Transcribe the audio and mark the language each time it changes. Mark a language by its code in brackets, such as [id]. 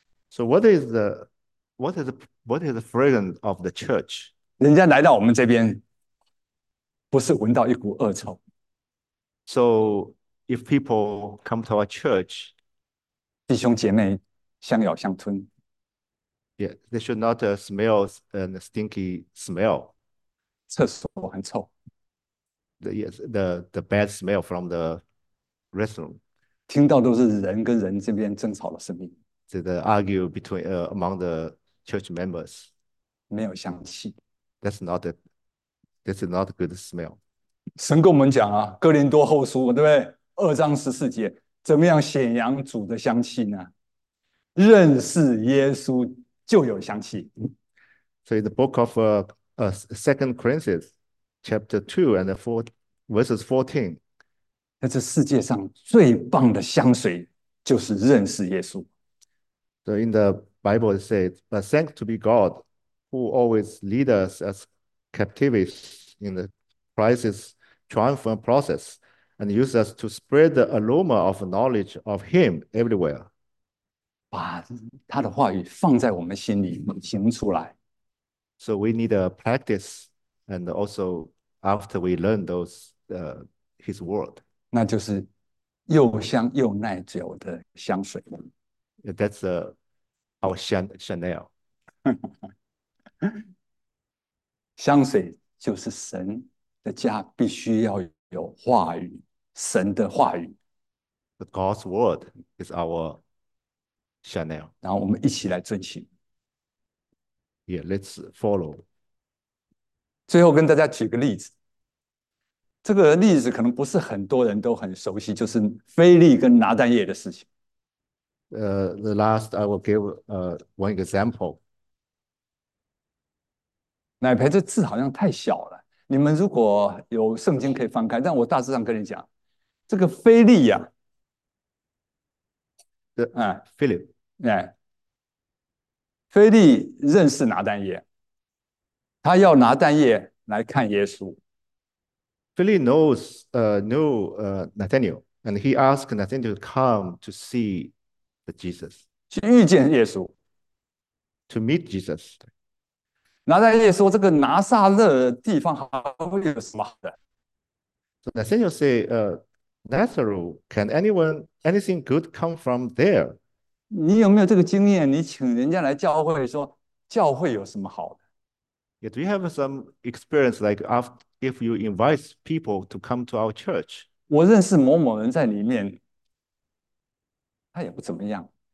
[en] So what is the fragrance of the church？ [zh] 人家来到我们这边，不是闻到一股恶臭。 [en] So if people come to our church。 [zh] 弟兄姐妹，相咬相吞。 [en] Yeah, they should not smell a stinky smell. [zh] 厕所很臭， [en] The bad smell from the restroom. [zh] 听到都是人跟人这边争吵的声音， [en] The argue between among the church members. [zh] 没有香气。 [en] That's not a good smell. [zh] 神跟我们讲啊，《哥林多后书》对不对？2章14节，怎么样显扬主的香气呢？认识耶稣就有香气。 [en] So in the book of 2 Corinthians, chapter 2 and 4, verses 14. [zh] 在这世界上最棒的香水就是认识耶稣。 [en] So in the Bible it says, "But thanks to be God, who always lead us as captives in the Christ's triumphant process, and use us to spread the aroma of knowledge of Him everywhere." [zh] 把他的话语放在我们心里，行出来。 [en] So we need a practice, and also after we learn his word. [zh] 那就是又香又耐久的香水。 [en] That's our Chanel. [zh] 香水就是神的家，必须要有话语，神的话语。 [en] The God's word is our Chanel. [zh] 然后我们一起来遵循。 [en] Yeah, let's follow. [zh] 最后跟大家举个例子，这个例子可能不是很多人都很熟悉，就是腓力跟拿单叶的事情。 [en] The last, I will give one example. [zh] 奶培这字好像太小了，你们如果有圣经可以翻开，但我大致上跟你讲，这个腓力呀， [en] Philip. [zh] 腓力认识拿单叶，他要拿单叶来看耶稣。 [en] Philip knows, Nathaniel, and he asked Nathaniel to come to see Jesus, [zh] 去遇见耶稣。 [en] to meet Jesus. [zh] 拿单叶说：“这个拿撒勒地方还会有什么好的？” [en] So Nathaniel say, Nazareth, can anything good come from there? [zh] 你有没有这个经验？你请人家来教会说，教会有什么好的？ [en] Yeah, do you have some experience like after, if you invite people to come to our church? [zh] 我认识某某人在里面，他也不怎么样。